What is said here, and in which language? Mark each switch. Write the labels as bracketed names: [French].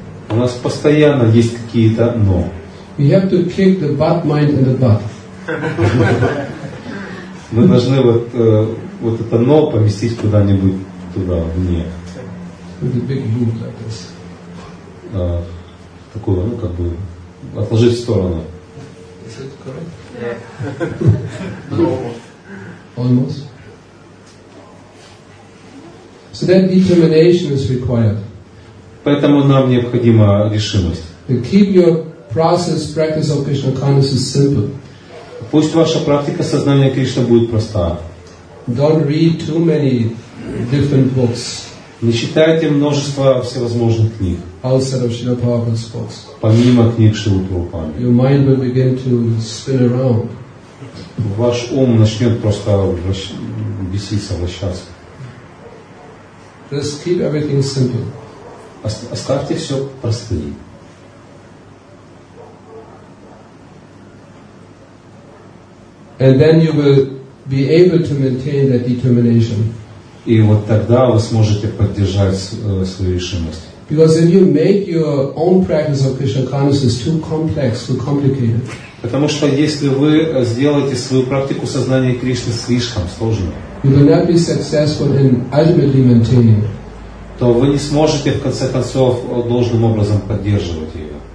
[Russian] У нас постоянно есть какие-то но. [English] We have to kick the but mind in the butt. [Russian] Мы должны вот это но поместить куда-нибудь туда, вне. [English] With a big boot like this. [Russian] такое, ну как бы отложить в сторону. [English] Is it correct? Yeah. Almost. So that determination is required. [Russian] Поэтому нам необходима решимость. [English] To keep your process, practice of Krishna consciousness is simple. [Russian] Пусть ваша практика сознания Кришны будет проста. [English] Don't read too many different books. [Russian] Не читайте множество всевозможных книг. [English] Outside of Srila Prabhupada's books. [Russian] Помимо книг Шрилы Прабхупады. [English] Your mind will begin to spin around. [Russian] Ваш ум начнет просто беситься, вращаться. [English] Just keep everything simple. [Russian] Оставьте все простым. [English] And then you will be able to maintain that determination. [Russian] И вот тогда вы сможете поддержать свою решимость. [English] Because if you make your own practice of Krishna consciousness too complex, too complicated. [Russian] Потому что если вы сделаете свою практику сознания Кришны слишком сложной, [English] you will not be successful in ultimately maintaining. [Russian] То вы не сможете в конце концов должным образом поддерживать ее.